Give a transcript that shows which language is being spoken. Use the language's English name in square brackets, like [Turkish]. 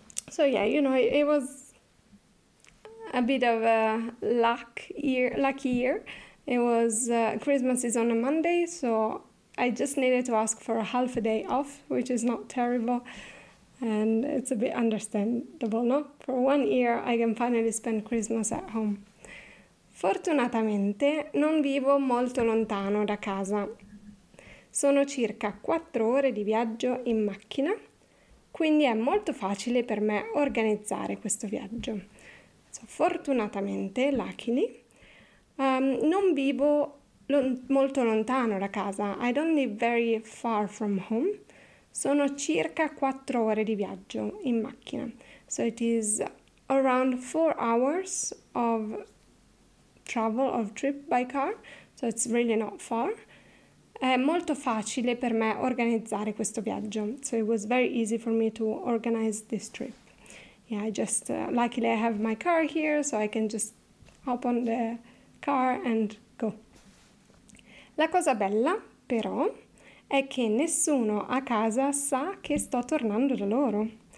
[English] So yeah, you know, it was a bit of a lucky year. It was, Christmas is on a Monday, so I just needed to ask for a half a day off, which is not terrible. And it's a bit understandable, no? For one year I can finally spend Christmas at home. [Italian] Fortunatamente non vivo molto lontano da casa. Sono circa 4 ore di viaggio in macchina, quindi è molto facile per me organizzare questo viaggio. So, fortunatamente, [English] luckily, [Italian] non vivo molto lontano da casa. [English] I don't live very far from home. [Italian] Sono circa 4 ore di viaggio in macchina. [English] So it is around 4 hours of travel, of trip by car. So it's really not far. [Italian] È molto facile per me organizzare questo viaggio. [English] So it was very easy for me to organize this trip. Yeah, I just, luckily I have my car here, so I can just hop on the car and go. [Italian] La cosa bella, però, è che nessuno a casa sa che sto tornando da loro.